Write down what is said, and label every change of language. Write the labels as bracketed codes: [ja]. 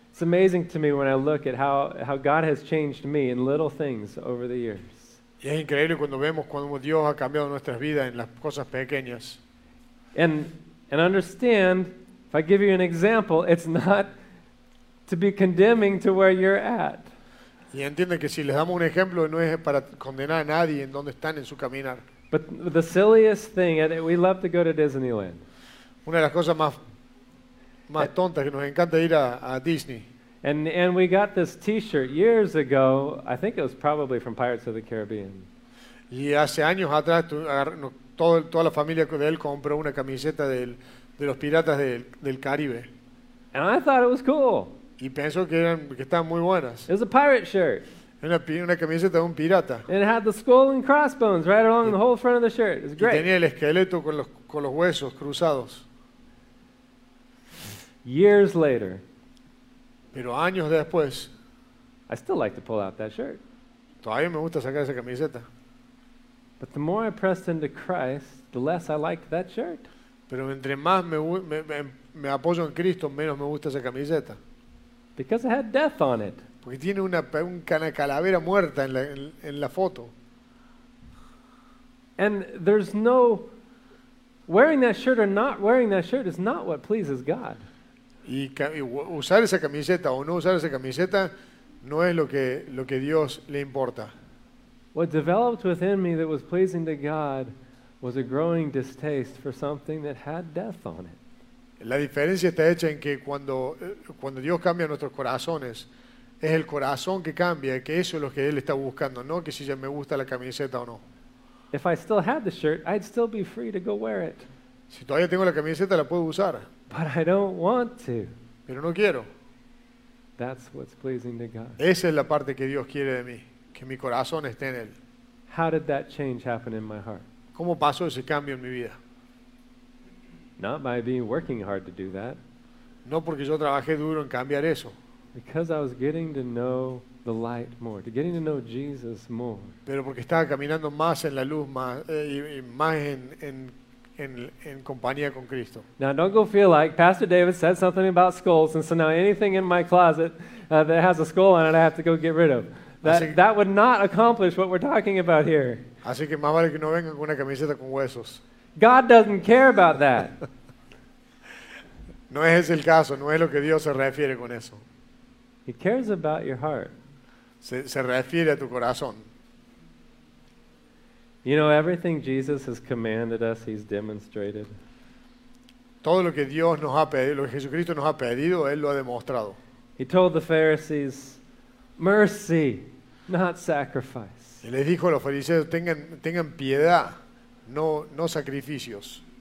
[en] It's amazing to me when I look at how God has changed me in little things over the years. [es] Y es increíble cuando vemos cómo Dios ha cambiado nuestras vidas en las cosas pequeñas. [en] And understand, if I give you an example, it's not to be condemning to where you're at. [es] Y entiende que si les damos un ejemplo, no es para condenar a nadie en donde están en su caminar. [en] But the silliest thing, we love to go to Disneyland. [es] Una de las cosas más tontas que nos encanta ir a Disney. [en] And we got this t-shirt years ago, I think it was probably from Pirates of the Caribbean. [es] Y hace años atrás toda la familia de él compró una camiseta de los piratas del Caribe. [en] And I thought it was cool. [es] Y pensó que estaban muy buenas. [en] It was a pirate shirt. [es] Una camiseta de un pirata. [en] And it had the skull and crossbones right along the whole front of the shirt. It was great. [es] Y tenía el esqueleto con los huesos cruzados. [en] Years later. [es] Pero años después. [en] I still like to pull out that shirt. [es] Todavía me gusta sacar esa camiseta. [en] But the more I pressed into Christ, the less I liked that shirt. [es] Pero entre más me apoyo en Cristo, menos me gusta esa camiseta. [en] Because it had death on it. [es] Porque tiene una calavera muerta en la foto. [en] And there's no wearing that shirt or not wearing that shirt is not what pleases God. [es] Y usar esa camiseta o no usar esa camiseta no es lo que Dios le importa. [en] What developed within me that was pleasing to God was a growing distaste for something that had death on it. [es] La diferencia está hecha en que cuando Dios cambia nuestros corazones, es el corazón que cambia, que eso es lo que él está buscando, no que si ya me gusta la camiseta o no. [en] If I still had the shirt, I'd still be free to go wear it. [es] Si todavía tengo la camiseta, la puedo usar. [en] But I don't want to. [es] Pero no quiero. [en] That's what's pleasing to God. [es] Esa es la parte que Dios quiere de mí, que mi corazón esté en él. [en] How did that change happen in my heart? [es] ¿Cómo pasó ese cambio en mi vida? [en] Not by being working hard to do that. [es] No porque yo trabajé duro en cambiar eso. [en] Because I was getting to know the light more, getting to know Jesus more. [es] Pero porque estaba caminando más en la luz, más en compañía con Cristo. [en] Now don't go feel like Pastor David said something about skulls, and so now anything in my closet that has a skull on it, I have to go get rid of. That would not accomplish what we're talking about here. [es] Así que más vale que no vengan con una camiseta con huesos. [en] God doesn't care about that. [es] No es el caso, no es lo que Dios se refiere con eso. [en] He cares about your heart. [es] Se refiere a tu corazón. [en] You know, everything Jesus has commanded us, he's demonstrated. [es] Todo lo que Dios nos ha pedido, lo que Jesucristo nos ha pedido, él lo ha demostrado. [en] He told the Pharisees, mercy, not sacrifice. [es] Y les dijo a los fariseos, tengan piedad, no sacrificios.